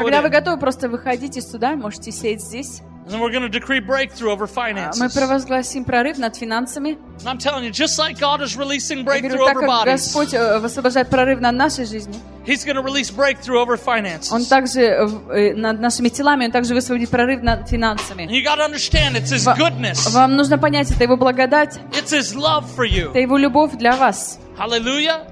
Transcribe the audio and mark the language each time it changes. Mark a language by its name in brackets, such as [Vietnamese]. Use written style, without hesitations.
[Russian] it. Когда вы готовы, просто выходите сюда, можете сеять здесь. [English] And then we're going to decree breakthrough over finances. [Russian] Мы провозгласим прорыв над финансами. [English] And I'm telling you, just like God is releasing breakthrough over bodies. [Russian] Господь высвобождает прорыв над нашей жизнью. [English] He's going to release breakthrough over finances. [Russian] Он также над нашими телами, он также высвободит прорыв над финансами. [English] You got to understand, it's His goodness. [Russian] Вам нужно понять, это Его благодать. [English] It's His love for you. [Russian] Это Его любовь для вас. [English] Hallelujah.